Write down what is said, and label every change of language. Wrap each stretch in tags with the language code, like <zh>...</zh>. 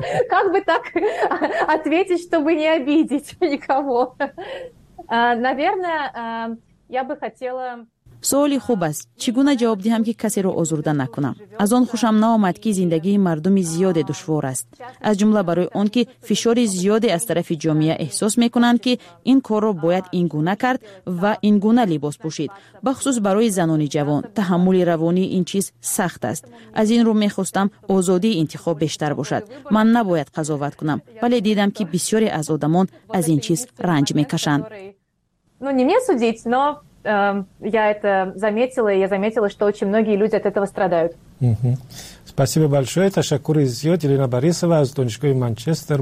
<ru>Как бы так ответить, чтобы не обидеть никого? Наверное, я бы хотела...</ru> <tg>Суоли хуб аст. Чи гуна ҷавоб диҳам, ки касеро озурда накунам? Аз он хушам наомад, ки зиндагии мардуми зиёде душвор аст. Аз ҷумла барои он, ки фишори зиёде аз тарафи ҷомеа эҳсос мекунанд, ки ин корро бояд ин гуна кард ва ин гуна либос пушид. Ба хусус барои занони ҷавон, таҳаммули равонии ин чиз сахт аст. Аз ин рӯ мехостам озодии интихоб бештар бошад. Ман набояд қазоват кунам, вале дидам, ки бисёре аз одамон аз ин чиз ранҷ мекашанд.</tg> <ru>Ну, не мне судить, но я это заметила, и я заметила, что очень многие люди от этого страдают. Спасибо большое. Это Шакур Изиот, Елена Борисова, из Донечкой Манчестер.</ru>